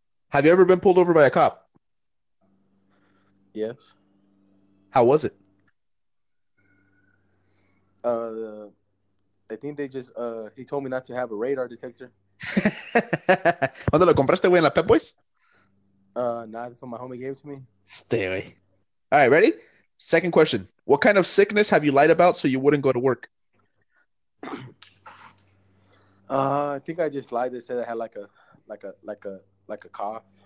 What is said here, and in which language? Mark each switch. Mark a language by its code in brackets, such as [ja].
[en] Have you ever been pulled over by a cop? Yes. How was it? I think they just he told me not to have a radar detector. [es] ¿Dónde lo compraste, güey, en la Pep Boys? [en] Nah, that's what my homie gave to me. Stay away. All right, ready? Second question. What kind of sickness have you lied about so you wouldn't go to work? I think I just lied and said I had like a cough.